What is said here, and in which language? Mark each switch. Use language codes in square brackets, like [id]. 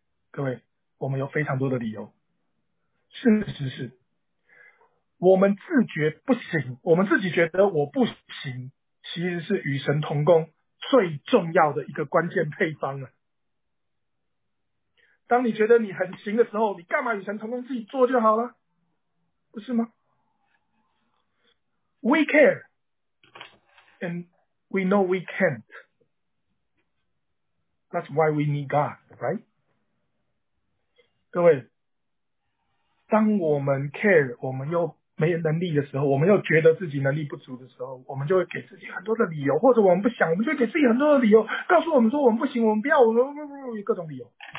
[zh] 各位，我们有非常多的理由，事实是我们自觉不行，我们自己觉得我不行，其实是与神同工最重要的一个关键配方了。当你觉得你很行的时候，你干嘛与神同工，自己做就好了，不是吗？ [en] We care and we know we can't. That's why we need God, right? [zh] 各位，当我们 care， 我们又没能力的时候，我们又觉得自己能力不足的时候，我们就会给自己很多的理由，或者我们不想，我们就会给自己很多的理由，告诉我们说我们不行，我们不要，我们各种理由。